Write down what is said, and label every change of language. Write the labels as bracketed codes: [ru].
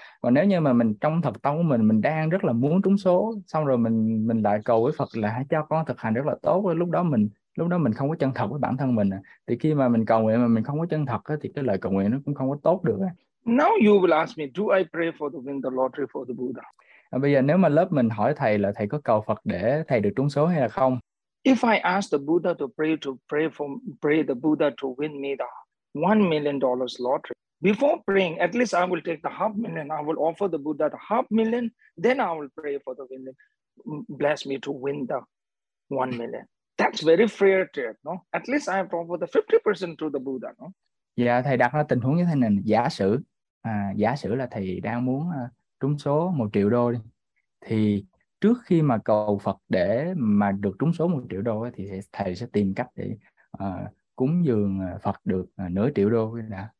[vi] Còn nếu như mà mình trong thật tâm của mình đang rất là muốn trúng số, xong rồi mình lại cầu với Phật là hãy cho con thực hành rất là tốt, rồi lúc đó mình không có chân thật với bản thân mình. Thì khi mà mình cầu nguyện mà mình không có chân thật thì cái lời cầu nguyện nó cũng không có tốt được. [en] Now you will ask me, do I pray for the win the lottery for the Buddha? [vi] Bây giờ nếu mà lớp mình hỏi thầy là thầy có cầu Phật để thầy được trúng số hay là không? [en] If I ask the Buddha to pray the Buddha to win me the $1 million lottery, before praying, at least I will take the half million. I will offer the Buddha the half million. Then I will pray for the win. Bless me to win the 1 million. That's very fair trade, no? At least I have to offer the 50% to the Buddha, no? [vi] Dạ, thầy đặt ra tình huống như thế này, giả sử là thầy đang muốn trúng số 1 triệu đô đi, thì trước khi mà cầu Phật để mà được trúng số 1 triệu đô thì thầy sẽ tìm cách để cúng dường Phật được nửa triệu đô đã.